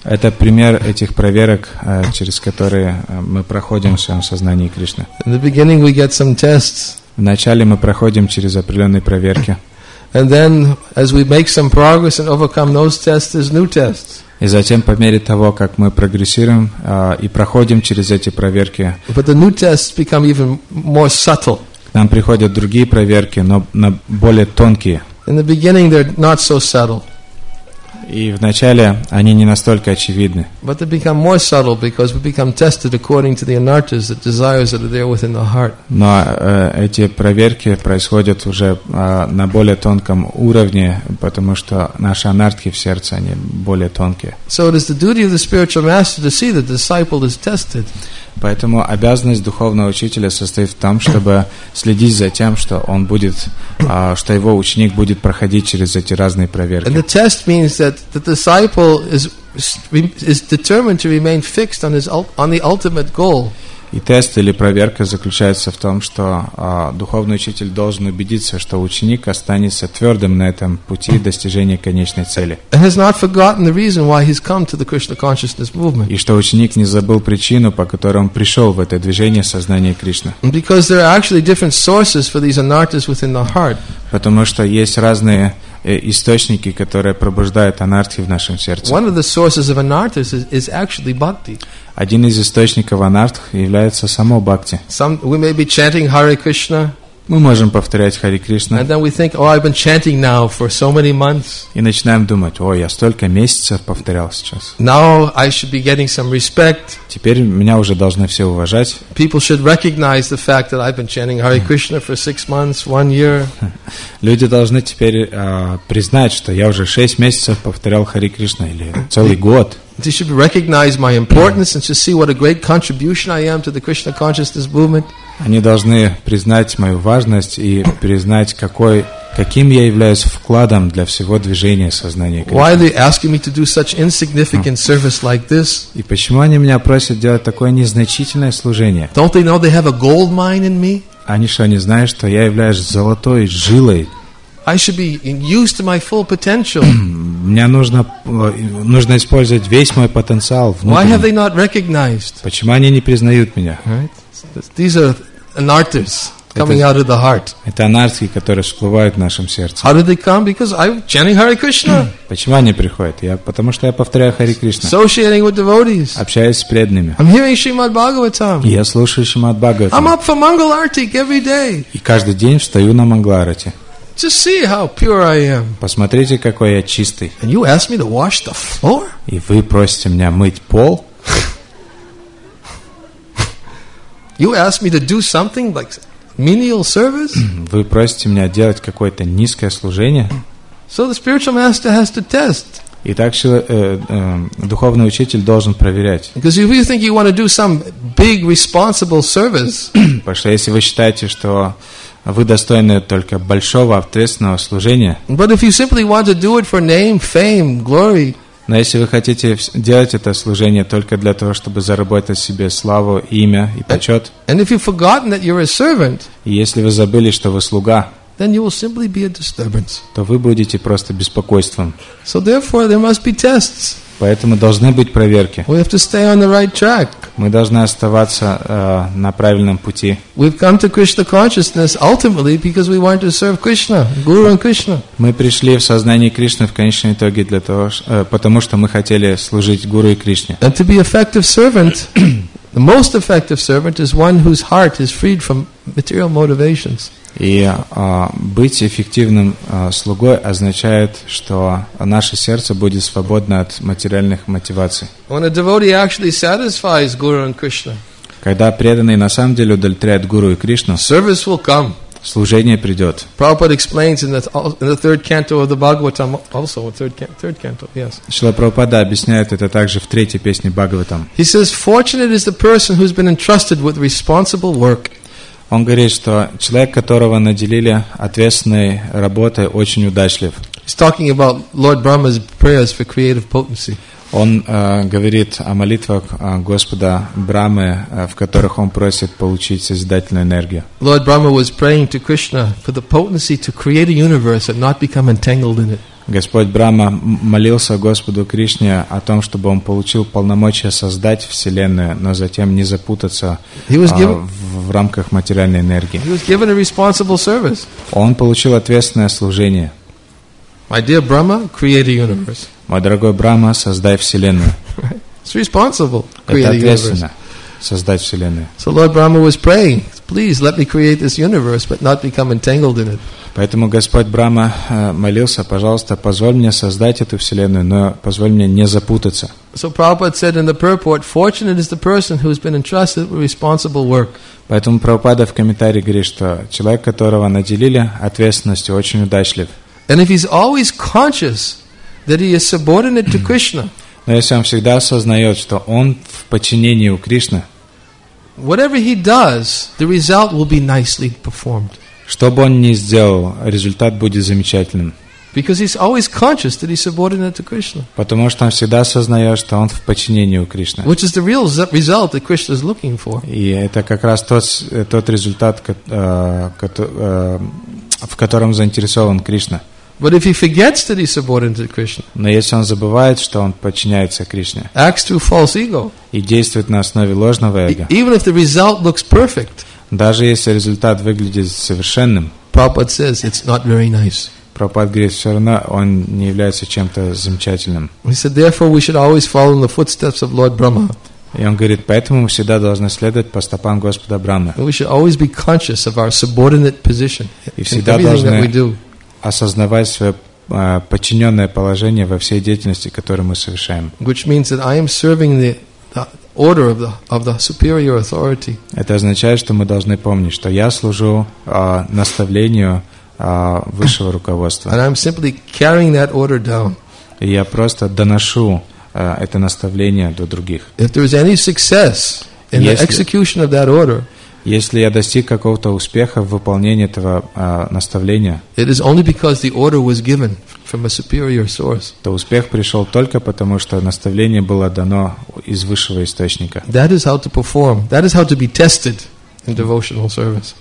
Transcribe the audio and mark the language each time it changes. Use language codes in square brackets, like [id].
[ru] Это пример этих проверок, через которые мы проходим в своем сознании Кришны. [en] In the beginning we get some tests. [ru] Вначале мы проходим через определенные проверки. [en] And then, as we make some progress and overcome those tests, there's new tests. [ru] И затем, по мере того, как мы прогрессируем и проходим через эти проверки, [en] but the new tests become even more subtle. [ru] К нам приходят другие проверки, но на более тонкие. [en] In the beginning, they're not so subtle. [ru] И вначале они не настолько очевидны. [en] But they become more subtle because we become tested according to the anartas, the desires that are there within the heart. [ru] Но эти проверки происходят уже на более тонком уровне, потому что наши анартхи в сердце, они более тонкие. [en] So it is the duty of the spiritual master to see that the disciple is tested. [ru] Поэтому обязанность духовного учителя состоит в том, чтобы следить за тем, что он будет, что его ученик будет проходить через эти разные проверки. [en] And the test means that the disciple is determined to remain fixed on his on the ultimate goal. [ru] И тест или проверка заключается в том, что духовный учитель должен убедиться, что ученик останется твердым на этом пути достижения конечной цели. [en] And has not forgotten the reason why he's come to the Krishna consciousness movement. [ru] И что ученик не забыл причину, по которой он пришел в это движение сознания Кришны. [en] Because there are actually different sources for these anartas within the heart. [ru] Потому что есть разные источники, которые пробуждают анартхи в нашем сердце. [en] One of the sources of anartas is actually bhakti. [ru] Один из источников анартх является само бхакти. [en] Some we may be chanting Hare Krishna. [ru] Мы можем повторять Хари Кришна. [en] And then we think, oh, I've been chanting now for so many months. [ru] И начинаем думать, ой, я столько месяцев повторял сейчас. [en] Now I should be getting some respect. [ru] Теперь меня уже должны все уважать. [en] People should recognize the fact that I've been chanting Hare Krishna for 6 months, 1 year. [ru] Люди должны теперь признать, что я уже 6 месяцев повторял Хари Кришна или целый год. [en] They should recognize my importance and should see what a great contribution I am to the Krishna consciousness movement. [ru] Они должны признать мою важность и признать, какой, каким я являюсь вкладом для всего движения сознания Кришны? [en] Why are they asking me to do such insignificant service like this? [ru] И почему они меня просят делать такое незначительное служение? [en] Don't they know they have a gold mine in me? [ru] Они что, не знают, что я являюсь золотой жилой? [en] I should be used to my full potential. [ru] Мне нужно использовать весь мой потенциал. [en] Why have they not recognized? [ru] Почему они не признают меня? [en] These are anarthas coming out of the heart. [ru] Это анархи, которые всплывают в нашем сердце. [en] How did they come? Because I'm chanting Hare Krishna. [ru] Почему они приходят? Я потому что я повторяю Хари Кришна. [en] Associating with devotees. [ru] Общаюсь с преданными. [en] I'm hearing Shrimad Bhagavatam. [ru] Я слушаю Шримад Бхагаватам. [en] I'm up for Mangal Arati every day. [ru] И каждый день встаю на Мангларати. [en] Just see how pure I am. [ru] Посмотрите, какой я чистый. [en] And you ask me to wash the floor? [ru] И вы просите меня мыть пол? [en] You ask me to do something like menial service? [ru] Вы просите меня делать какое-то низкое служение? [en] So the spiritual master has to test. [ru] И так духовный учитель должен проверять. [en] Because if you think you want to do some big responsible service, [ru] потому что если вы считаете, что вы достойны только большого ответственного служения. [en] But if you simply want to do it for name, fame, glory. [ru] Но если вы хотите делать это служение только для того, чтобы заработать себе славу, имя и почет. [en] And if you've forgotten that you're a servant. [ru] И если вы забыли, что вы слуга. [en] Then you will simply be a disturbance. [ru] То вы будете просто беспокойством. [en] So therefore there must be tests. [ru] Поэтому должны быть проверки. [en] We have to stay on the right track. [ru] Мы должны оставаться на правильном пути. [en] We've come to Krishna consciousness ultimately because we want to serve Krishna, Guru and Krishna. [ru] Мы пришли в сознание Кришны в конечном итоге для того, потому что мы хотели служить Гуру и Кришне. [en] And to be effective servant, the most effective servant is one whose heart is freed from material motivations. [ru] И быть эффективным слугой означает, что наше сердце будет свободно от материальных мотиваций. [en] When a devotee actually satisfies Guru and Krishna, [ru] когда преданный на самом деле удовлетворяет Гуру и Кришну, [en] service will come. [ru] Служение придет. [en] Prabhupada explains in the third canto of the Bhagavatam, also third canto, yes. [ru] Шрила Прабхупада объясняет это также в третьей песне Бхагаватам. [en] He says, "Fortunate is the person who's been entrusted with responsible work." [ru] Он говорит, что человек, которого наделили ответственной работой, очень удачлив. [en] He's talking about Lord Brahma's prayers for creative potency. [ru] Он говорит о молитвах Господа Брамы, в которых он просит получить созидательную энергию. [en] Lord Brahma was praying to Krishna for the potency to create a universe and not become entangled in it. [ru] Господь Брама молился Господу Кришне о том, чтобы он получил полномочия создать Вселенную, но затем не запутаться в рамках материальной энергии. [en] He was given a responsible service. [ru] Он получил ответственное служение. [en] My dear Brahma, create a universe. [ru] Мой дорогой Брама, создай Вселенную. [en] It's responsible. [ru] Это ответственно. Создать Вселенную. [en] So Lord Brahma was praying, please let me create this universe, but not become entangled in it. [ru] Поэтому Господь Брама молился, пожалуйста, позволь мне создать эту Вселенную, но позволь мне не запутаться. [en] So Prabhupada said in the purport, fortunate is the person who has been entrusted with responsible work. [ru] Поэтому Прабхупада в комментарии говорит, что человек, которого наделили ответственностью, очень удачлив. [en] And if he's always conscious that he is subordinate to Krishna. [ru] Но если он всегда осознает, что он в подчинении у Кришны, [en] whatever he does, the result will be nicely performed. [ru] Что бы он ни сделал, результат будет замечательным. [en] Because he's always conscious that he's subordinate to Krishna. [ru] Потому что он всегда осознает, что он в подчинении у Кришны. [en] Which is the real result that Krishna is looking for. [ru] И это как раз тот результат, в котором заинтересован Кришна. [en] But if he forgets that he's subordinate to Krishna, [ru] но если он забывает, что он подчиняется Кришне, [en] acts through false ego, [ru] и действует на основе ложного эго, [en] even if the result looks perfect, [ru] даже если результат выглядит совершенным, [en] Prabhupada says it's not very nice. [ru] Прабхупада говорит, все равно он не является чем-то замечательным. [en] He said, therefore, we should always follow in the footsteps of Lord Brahma. [ru] И он говорит, поэтому мы всегда должны следовать по стопам Господа Брамы. [en] We should always be conscious of our subordinate position in everything that we do. [ru] Осознавать свое подчиненное положение во всей деятельности, которую мы совершаем. [en] Which means that I am serving the order of the superior authority. [ru] Это означает, что мы должны помнить, что я служу наставлению высшего руководства. [en] And I'm simply carrying that order down. [ru] И я просто доношу это наставление до других. [en] If there is any success in the execution of that order. [ru] Если я достиг какого-то успеха в выполнении этого наставления, [en] it is only because the order was given from a superior source. [ru] То успех пришел только потому, что наставление было дано из высшего источника. [en] That is how to perform. That is how to be tested in devotional service.